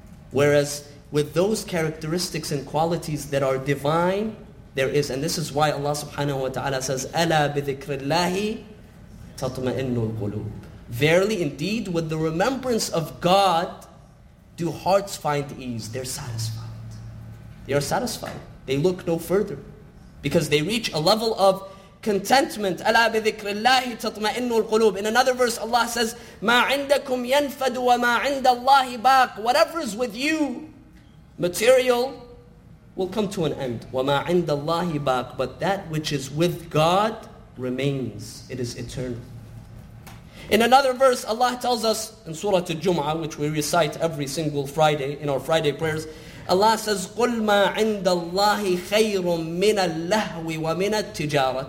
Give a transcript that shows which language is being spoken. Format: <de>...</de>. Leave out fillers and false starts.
<en>Whereas with those characteristics and qualities that are divine, there is, and this is why Allah subhanahu wa ta'ala says,</en> <ar>أَلَا بِذِكْرِ اللَّهِ تَطْمَئِنُّ الْقُلُوبِ.</ar> <en>Verily, indeed, with the remembrance of God, do hearts find ease. They're satisfied. They are satisfied. They look no further. Because they reach a level of contentment.</en> <ar>أَلَا بِذِكْرِ اللَّهِ تَطْمَئِنُّ الْقُلُوبِ.</ar> <en>In another verse, Allah says,</en> <ar>مَا عِنْدَكُمْ يَنْفَدُ وَمَا عِنْدَ اللَّهِ بَاقٍ.</ar> <en>Whatever is with you, material, will come to an end.</en> <ar>وَمَا عِنْدَ اللَّهِ بَاقٍ.</ar> <en>But that which is with God remains. It is eternal. In another verse, Allah tells us in Surah Al-Jum'ah, which we recite every single Friday in our Friday prayers, Allah says,</en> <ar>قُلْ مَا عِنْدَ اللَّهِ خَيْرٌ مِنَ اللَّهْوِ وَمِنَ التِّجَارَةِ.</ar>